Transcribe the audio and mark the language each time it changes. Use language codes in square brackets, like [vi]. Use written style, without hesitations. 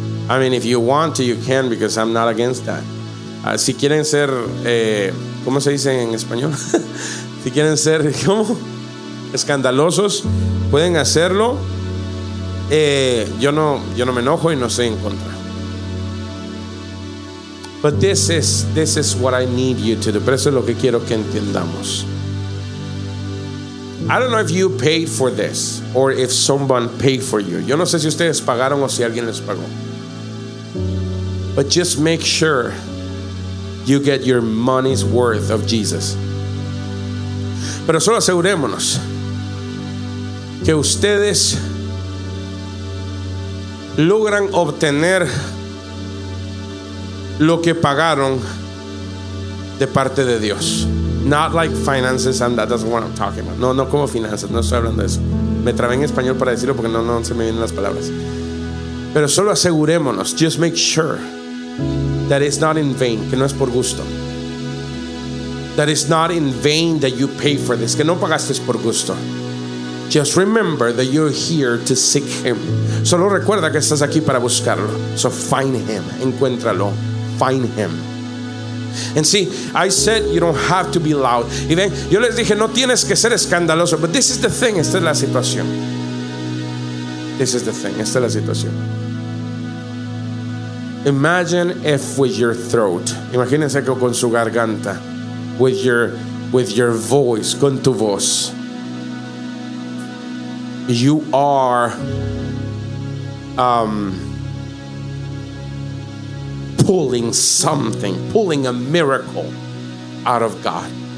[en] I mean, if you want to, you can, because I'm not against that. [es] Si quieren ser, ¿cómo se dice en español? Si quieren ser como escandalosos, pueden hacerlo. Yo no me enojo y no estoy en contra. [en] But this is what I need you to do. [es] Pero eso es lo que quiero que entendamos. [en] I don't know if you paid for this or if someone paid for you. [es] Yo no sé si ustedes pagaron o si alguien les pagó. [en] But just make sure you get your money's worth of Jesus. [es] Pero solo asegurémonos que ustedes logran obtener lo que pagaron de parte de Dios. [en] Not like finances, and that's what I'm talking about. [es] No como finanzas, no estoy hablando de eso. Me trabé en español para decirlo porque no se me vienen las palabras. Pero solo asegurémonos, [en] just make sure that it's not in vain, [es] que no es por gusto. [en] That it's not in vain that you pay for this. [es] Que no pagaste por gusto. [en] Just remember that you're here to seek Him. [es] Solo recuerda que estás aquí para buscarlo. [en] So find Him. [es] Encuéntralo. [en] Find Him. And see, I said you don't have to be loud. [es] Y ven, yo les dije, no tienes que ser escandaloso. [en] But this is the thing. [es] Esta es la situación. [en] This is the thing. Esta es la situación. Imagine if with your throat. [es] Imagínense que con su garganta. [en] With your voice, [es] con tu voz, [en] you are pulling something, pulling a miracle out of God.